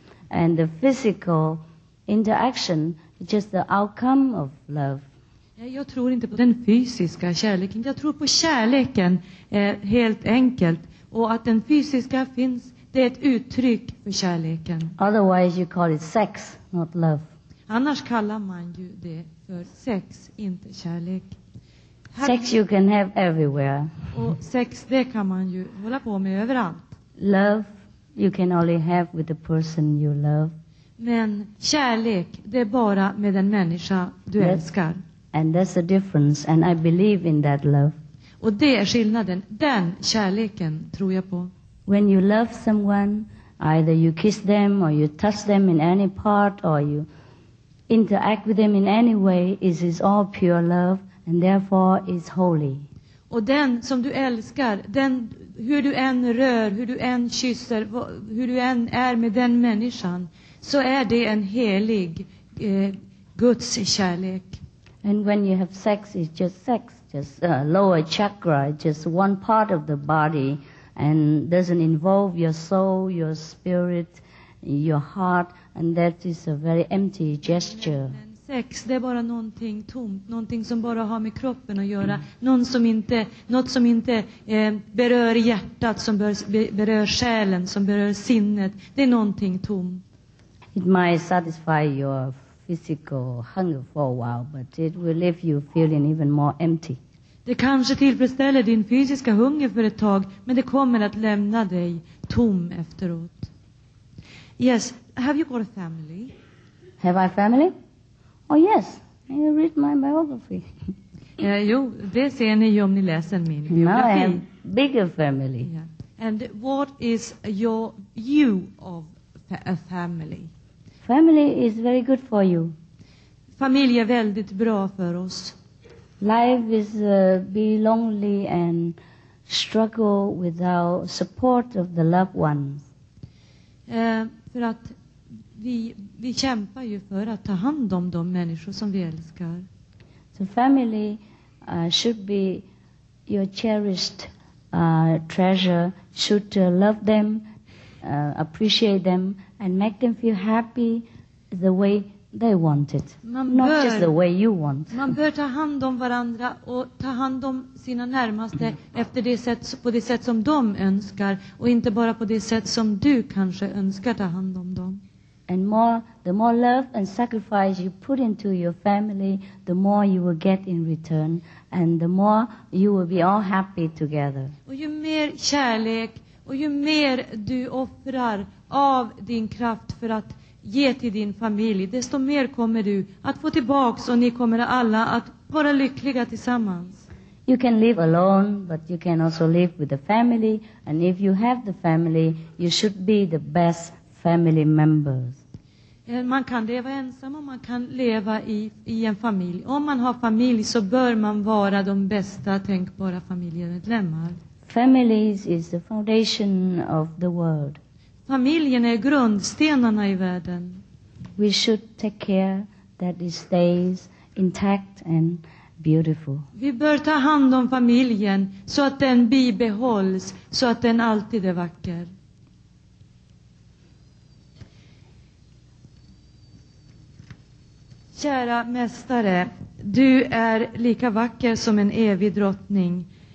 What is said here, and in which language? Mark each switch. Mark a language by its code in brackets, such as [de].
[en] And the physical interaction is just the outcome of love. [sv] Jag tror inte på den fysiska kärleken. Jag tror på kärleken helt enkelt. Och att den fysiska finns, det är ett uttryck för kärleken. [en] Otherwise you call it sex, not love. [sv] Annars kallar man ju det för sex, inte kärlek. [en] Sex you can have everywhere. [sv] Och sex, det kan man ju hålla på med överallt. [en] Love you can only have with the person you love. [sv] Men kärlek, det är bara med den människa du älskar. [en] And that's the difference, and I believe in that love. [sv] Och det är skillnaden. Den kärleken tror jag på. [en] When you love someone, either you kiss them or you touch them in any part or you interact with them in any way, it is all pure love and therefore is holy. [sv] Och den som du älskar, den hur du än rör, hur du än kysser, hur du än är med den människan, så är det en helig Guds kärlek. [en] And when you have sex, it's just sex, just lower chakra, just one part of the body, and doesn't involve your soul, your spirit, your heart, and that is a very empty gesture. [sv] Men sex, det är bara någonting tomt, någonting som bara har med kroppen att göra, något som inte berör hjärtat, som berör själen, som berör sinnet. Det är någonting tomt. [en] It might satisfy your physical hunger for a while, but it will leave you feeling even more empty. [sv] Det kanske tillfredsställer din fysiska hunger för ett tag, men det kommer att lämna dig tom efteråt. [en] Yes, have you got a family? Have I family? Oh yes, I read my biography. [sv] Jo, det ser ni om ni läser min biografi. [en] Now I have bigger family. Yeah. And what is your view of a family? Family is very good for you. [sv] Familj är väldigt bra för oss. [en] Life is be lonely and struggle without support of the loved ones. [sv] För att vi kämpar ju för att ta hand om de människor som vi älskar. [en] So family should be your cherished treasure. Should love them, appreciate them, and make them feel happy the way they want it. Not just the way you want. [sv] Man bör ta hand om varandra och ta hand om sina närmaste efter det sätt, på det sätt som de önskar, och inte bara på det sätt som du kanske önskar ta hand om dem. [en] And more, the more love and sacrifice you put into your family, the more you will get in return, and the more you will be all happy together. [sv] Och ju mer kärlek och ju mer du offrar av din kraft för att ge till din familj, desto mer kommer du att få tillbaks, och ni kommer alla att vara lyckliga tillsammans. [en] You can live alone, but you can also live with the family, and if you have the family, you should be the best family members. [sv] Man kan leva ensam och man kan leva i en familj. Om man har familj, så bör man vara de bästa tänkbara familjemedlemmar. [en] Families is the foundation of the world. [sv] Familjen är grundstenarna i världen. [en] We should take care that it stays intact and beautiful. [sv] Vi bör ta hand om familjen så att den bibehålls, så att den alltid är vacker. Kära mästare, du är lika vacker som en evig drottning.